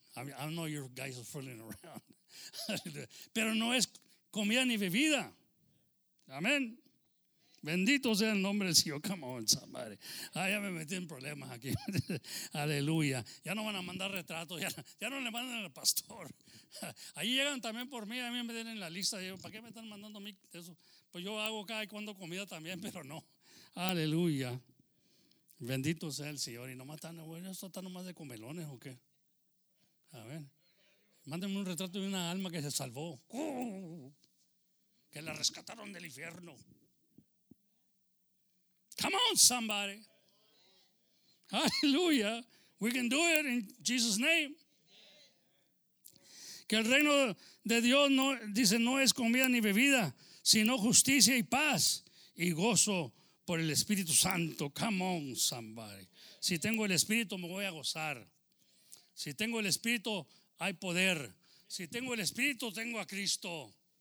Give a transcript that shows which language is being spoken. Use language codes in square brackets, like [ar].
[en] I know you guys are fooling around. [es] Pero no es comida ni bebida. Amén. Bendito sea el nombre del Señor. [en] Come on, somebody. [es] Ah, ya me metí en problemas aquí. Aleluya. Ya no van a mandar retratos. Ya no le mandan al pastor. Ahí llegan también por mí. A mí me tienen la lista. ¿Para qué me están mandando a mí eso? Pues yo hago cada y cuando comida también, pero no. Aleluya. Bendito sea el Señor. Y nomás están, bueno, esto está nomás de comelones, ¿o qué? A ver. Mándenme un retrato de una alma que se salvó. Que la rescataron del infierno. [en] Come on, somebody. Hallelujah. We can do it in Jesus' name. [es] Que el reino de Dios, no, dice, no es comida ni bebida, sino justicia y paz y gozo por el Espíritu Santo. [en] Come on, somebody. [es] Si tengo el Espíritu, me voy a gozar. Si tengo el Espíritu, hay poder. Si tengo el Espíritu, tengo a Cristo.